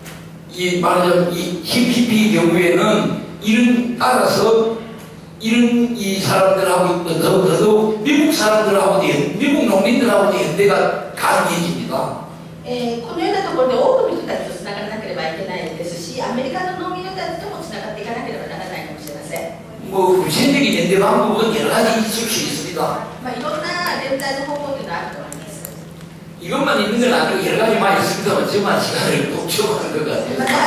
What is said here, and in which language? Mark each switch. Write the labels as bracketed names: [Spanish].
[Korean] 사회정의하고도 맞지 않습니다. 그런데 이 TPP 경우에는 이런 따라서 이런 이 사람들하고 더더욱 미국 사람들하고 미국 농민들하고 연대가 강해집니다. [Japanese] このようなところで多くの人たちとつながらなければいけないですし、アメリカの農民の人たちともつながっていかなければならないかもしれません。 [Korean] 뭐 구체적인 연대 방법은 여러 가지 있을 수 있습니다. 이것만 있는 건 아니고 여러 가지 많이 있습니다만 정말 시간을 독촉하는 것 같아요.